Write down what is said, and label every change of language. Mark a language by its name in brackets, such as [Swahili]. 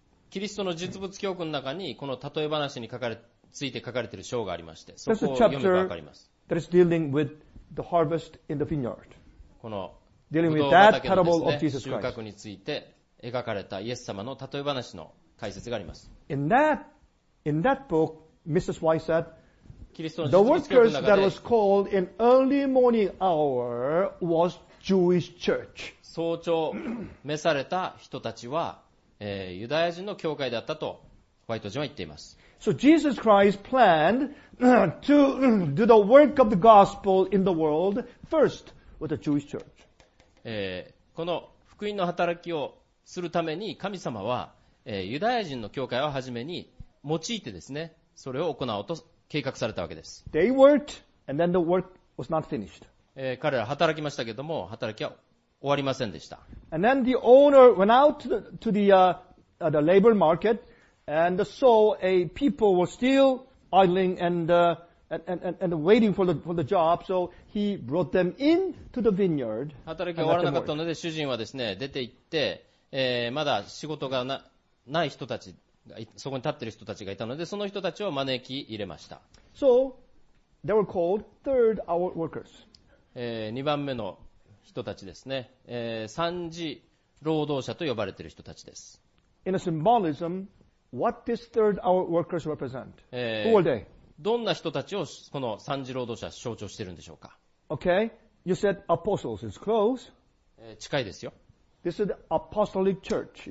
[Japanese] キリストの実物教訓の中にこの例え話について書かれている章がありまして、そこを読むと分かります。 [English] That is dealing with the harvest in the vineyard. [Japanese] この、 [English] dealing with that parable of Jesus Christ. [Japanese] 収穫について描かれたイエス様の例え話の解説があります。 [English] In that book, Mrs. White said, [Japanese] キリストの実物教訓の中で、 [English] The workers that was called in early morning hour was Jewish church. [Japanese] 早朝召された人たちは、ユダヤ人の教会だったとホワイト人は言っています。 [English] So Jesus Christ planned to do the work of the gospel in the world first with the Jewish church. [Japanese] この福音の働きをするために神様は、ユダヤ人の教会をはじめに用いてですね、それを行おうと計画されたわけです。 [English] They worked, and then the work was not finished. [Japanese] 彼ら働きましたけれども、働きは終わりませんでした。 [English] And then the owner went out to the labor market and saw a people were still idling and waiting for the job, so he brought them into the vineyard. [Japanese] 働きが終わらなかったので、主人はですね、出て行って、まだ仕事がない人たちが、そこに立っている人たちがいたので、その人たちを招き入れました。 [English] So, they were called third hour workers. [Japanese] 2番目の人たちですね。 3時労働者と呼ばれている人たちです。 [English] In a symbolism, what this third hour workers represent? Who are they? [Japanese] どんな人たちをこの3時労働者象徴しているんでしょうか [English] ?Okay, you said apostles is close. [Japanese] 近いですよ。 [English] This is the apostolic church.